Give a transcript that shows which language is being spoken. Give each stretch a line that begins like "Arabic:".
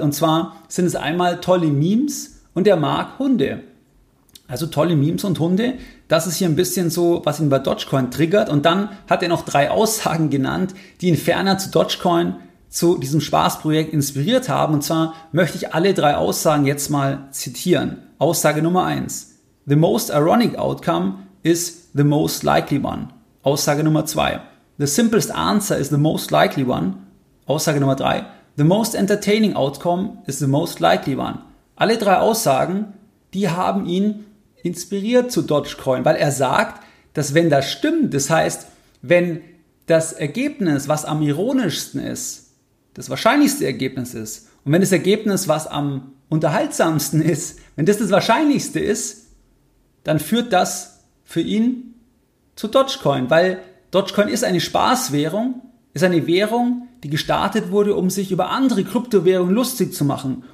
German: Und zwar sind es einmal tolle Memes und er mag Hunde. Also tolle Memes und Hunde, das ist hier ein bisschen so, was ihn bei Dogecoin triggert. Und dann hat er noch drei Aussagen genannt, die ihn ferner zu Dogecoin, zu diesem Spaßprojekt inspiriert haben. Und zwar möchte ich alle drei Aussagen jetzt mal zitieren. Aussage Nummer 1,
English: the most ironic outcome is the most likely one.
German: Aussage Nummer 2,
English: the simplest answer is the most likely one.
German: Aussage Nummer 3,
English: the most entertaining outcome is the most likely one.
German: Alle drei Aussagen, die haben ihn inspiriert zu Dogecoin, weil er sagt, dass wenn das stimmt, das heißt, wenn das Ergebnis, was am ironischsten ist, das wahrscheinlichste Ergebnis ist, und wenn das Ergebnis, was am unterhaltsamsten ist, wenn das das Wahrscheinlichste ist, dann führt das für ihn zu Dogecoin, weil Dogecoin ist eine Spaßwährung, ist eine Währung, die gestartet wurde, um sich über andere Kryptowährungen lustig zu machen.